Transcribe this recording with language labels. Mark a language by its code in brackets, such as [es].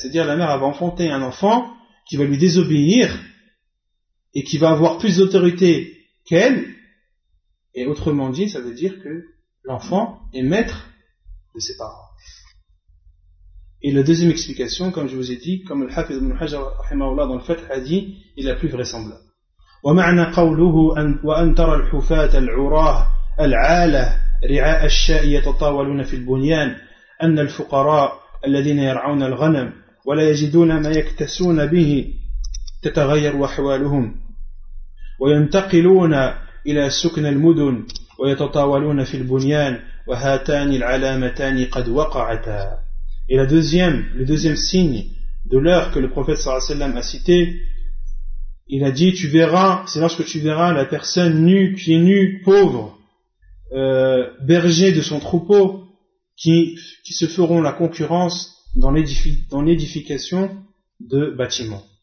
[fr] C'est-à-dire, la mère va enfanter un enfant qui va lui désobéir et qui va avoir plus d'autorité qu'elle. Et autrement dit, ça veut dire que l'enfant est maître de ses parents. Et la deuxième explication, comme je vous ai dit, comme le Hafiz ibn Hajar rahimahullah dans le fait a dit, est la plus vraisemblable. [ar] ومعنى قوله وأن ترى الحفاة العراة العالة رعاء الشاء يتطاولون في البنيان أن الفقراء الذين يرعون الغنم ولا يجدون ما يكتسون به تتغير أحوالهم وينتقلون إلى سكن المدن ويتطاولون في البنيان وهاتان العلامتان قد وقعتا. [fr] Et la deuxième, le deuxième signe de l'heure que le prophète sallallahu alayhi wa sallam a cité, il a dit, tu verras, c'est lorsque tu verras la personne nue, pieds nus, pauvre, berger de son troupeau, qui se feront la concurrence dans l'édification de bâtiments.